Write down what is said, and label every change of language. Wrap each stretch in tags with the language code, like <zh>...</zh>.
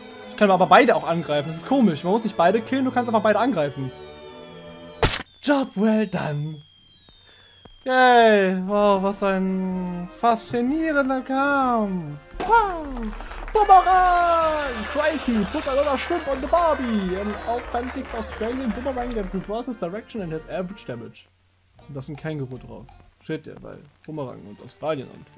<de>Ich kann aber beide auch angreifen, das ist komisch. Man muss nicht beide killen, du kannst aber beide angreifen.</de> <en>Job well done! Yay!</en> <de>Wow, was ein faszinierender Kampf!</de> <en>Bumerang! Crikey! Put another shrimp on the Barbie! An authentic Australian Bumerang that reverses direction and has average damage.</en> <de>Und da ist ein Känguru drauf. Versteht ihr? Weil Bumerang und Australien und.</de>